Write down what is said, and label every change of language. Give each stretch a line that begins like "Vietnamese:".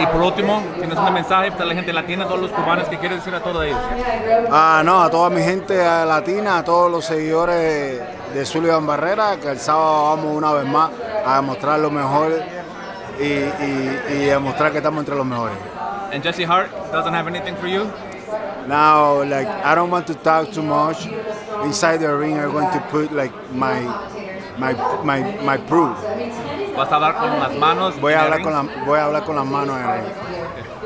Spanish: Y por último, tienes un mensaje para la gente latina, todos los cubanos, que quieres decir a todos ellos. No, a toda mi gente latina, a todos los seguidores de Sullivan Barrera, que el sábado vamos una vez más a demostrar lo mejor y demostrar que estamos entre los mejores.
English: And Jesse Hart doesn't have anything for you? No, like, I don't want to talk too much. Inside the ring, I'm going to put, like, my proof.
Spanish: ¿Vas a hablar con las manos? Voy a hablar con las manos en el ring.